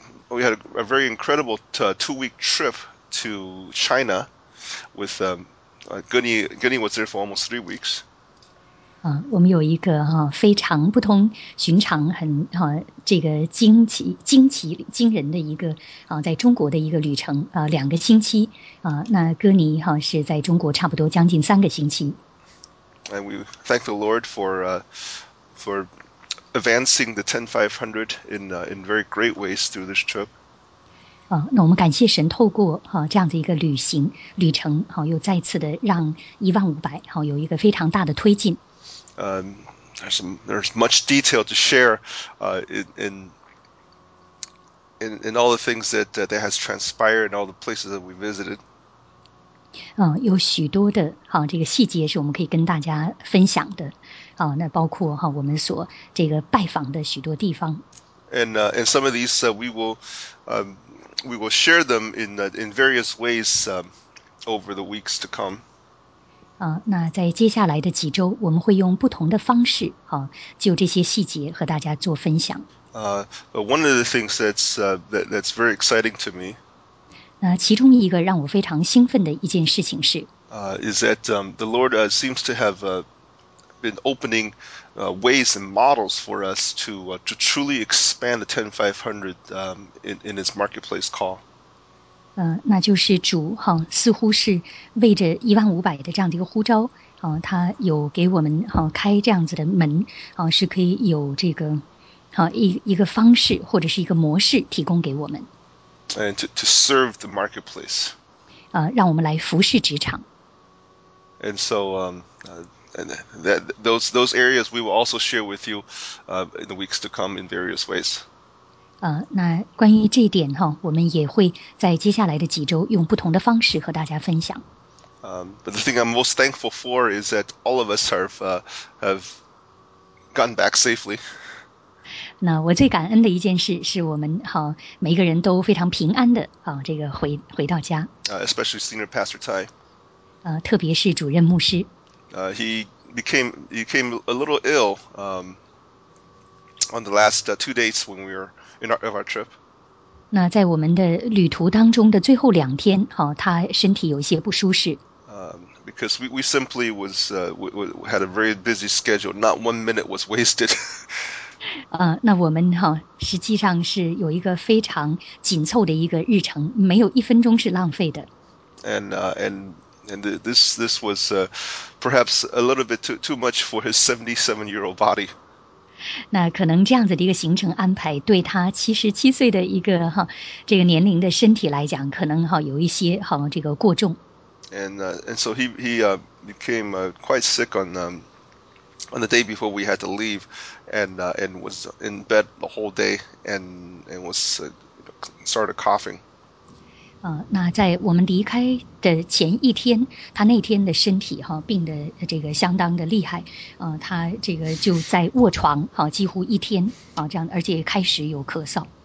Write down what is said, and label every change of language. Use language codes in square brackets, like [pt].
[en] We had a very incredible two-week trip to China with Gunny was there for almost 3 weeks. [zh] 我们有一个非常不同寻常、很这个惊人的一个在中国的一个旅程两个星期那哥尼是在中国差不多将近三个星期。 [en] And we thank the Lord for advancing the 10500 in very great ways through this trip. [zh] 那我们感谢神透过这样的一个旅程又再次的让15000有一个非常大的推进。 [en] There's much detail to share in all the things that has transpired and all the places that we visited. [zh] 有许多的这个细节是我们可以跟大家分享的。那包括我们所这个拜访的许多地方。 [en] And some of these we will share them in various ways over the weeks to come. [zh] 那在接下来的几周，我们会用不同的方式就这些细节和大家做分享。 [en] One of the things that's very exciting to me. [zh] 那其中一个让我非常兴奋的一件事情是。 [en] Is that the Lord seems to have been opening ways and models for us to truly expand the 10500 in its marketplace call. [zh] 那就是主似乎是为着15000的这样的一个呼召他有给我们开这样子的门是可以有这个一个方式或者是一个模式提供给我们。 [en] And to serve the marketplace. [zh] 让我们来服侍职场。 [en] And so, And that those areas we will also share with you in the weeks to come in various ways. [zh] 那关于这一点我们也会在接下来的几周用不同的方式和大家分享。 [en] But the thing I'm most thankful for is that all of us have gone back safely. [zh] 那我最感恩的一件事是我们每个人都非常平安的这个回到家。 [en] Especially Senior Pastor Tai. [zh] 特别是主任牧师。 [en] He became a little ill on the last two days when we were of our trip. [zh] 那在我们的旅途当中的最后两天，他身体有一些不舒适。 [en] Because we simply was we had a very busy schedule. Not one minute was wasted. [zh] 那我们实际上是有一个非常紧凑的一个日程，没有一分钟是浪费的。 [en] And this was perhaps a little bit too much for his 77-year-old body. [zh] 那可能这样子的一个行程安排，对他77岁的一个这个年龄的身体来讲，可能有一些这个过重。 [en] And so he became quite sick on the day before we had to leave, and was in bed the whole day, and was started coughing. [zh] 那在我们离开的前一天，他那天的身体病得这个相当的厉害，他这个就在卧床几乎一天这样，而且开始有咳嗽。